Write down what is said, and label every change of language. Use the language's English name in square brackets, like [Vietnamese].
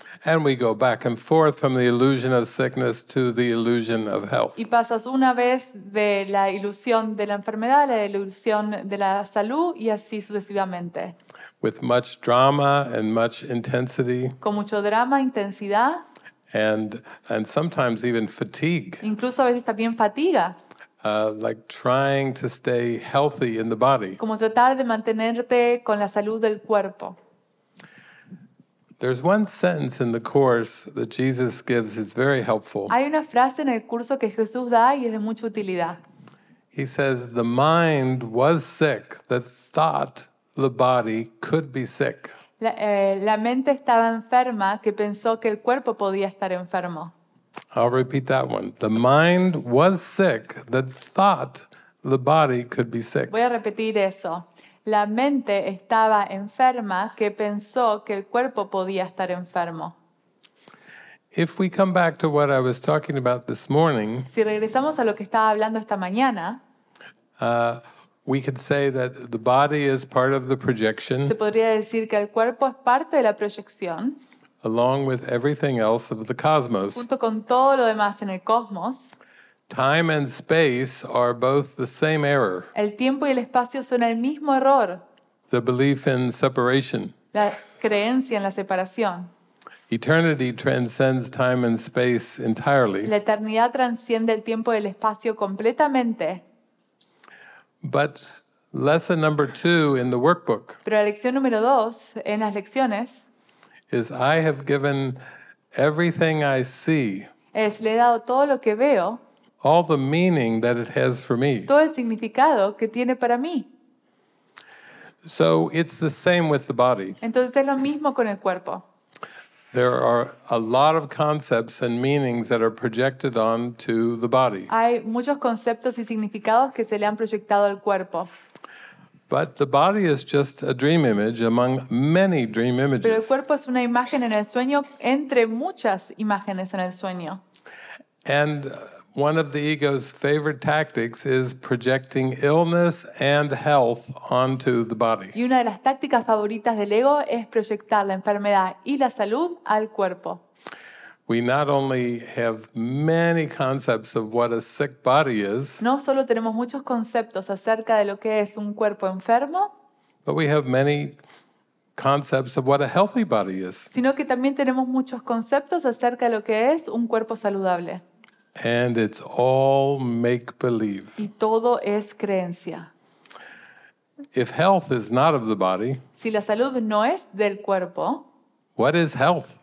[English] And we go back and forth from the illusion of sickness to the illusion of health. [Spanish] Y pasas una vez de la ilusión de la enfermedad a la ilusión de la salud y así sucesivamente. [English] With much drama and much intensity. [Spanish] Con mucho drama, intensidad. [English] And sometimes even fatigue. [Spanish] Incluso a veces también fatiga. [English] Like trying to stay healthy in the body. [Spanish] Como tratar de mantenerte con la salud del cuerpo. [English] There's one sentence in the course that Jesus gives. It's very helpful. [Spanish] Hay una frase en el curso que Jesús da y es de mucha utilidad. [English] He says, "The mind was sick that thought the body could be sick." [Spanish] La mente estaba enferma que pensó que el cuerpo podía estar enfermo. [English] I'll repeat that one. The mind was sick that thought the body could be sick. [Spanish] Voy a repetir eso. La mente estaba enferma que pensó que el cuerpo podía estar enfermo. [English] If we come back to what I was talking about this morning, [Spanish] si regresamos a lo que estaba hablando esta mañana, [English] we could say that the body is part of the projection. [Spanish] Se podría decir que el cuerpo es parte de la proyección. [English] Along with everything else of the cosmos. [Spanish] Junto con todo lo demás en el cosmos. [English] Time and space are both the same error. [Spanish] El tiempo y el espacio son el mismo error. [English] The belief in separation. [Spanish] La creencia en la separación. [English] Eternity transcends time and space entirely. [Spanish] La eternidad transciende el tiempo y el espacio completamente. [English] But lesson number two in the workbook. [Spanish] Pero la lección número dos en las lecciones. [English] Is I have given everything I see. [Spanish] Es le he dado todo lo que veo. [English] All the meaning that it has for me. [Spanish] Todo el significado que tiene para mí. [English] So it's the same with the body. [Spanish] Entonces es lo mismo con el cuerpo. [English] There are a lot of concepts and meanings that are projected onto the body. [Spanish] Hay muchos conceptos y significados que se le han proyectado al cuerpo. [English] But the body is just a dream image among many dream images. [Spanish] Pero el cuerpo es una imagen en el sueño entre muchas imágenes en el sueño. [English] And one of the ego's favorite tactics is projecting illness and health onto the body. [Spanish] Y una de las tácticas favoritas del ego es proyectar la enfermedad y la salud al cuerpo. [English] We not only have many concepts of what a sick body is. [Spanish] No solo tenemos muchos conceptos acerca de lo que es un cuerpo enfermo. [English] But we have many concepts of what a healthy body is. [Spanish] Sino que también tenemos muchos conceptos acerca de lo que es un cuerpo saludable. [English] And it's all make-believe. [Spanish] Y todo es creencia. [English] If health is not of the body, [Spanish] si la salud no es del cuerpo, [English] what is health?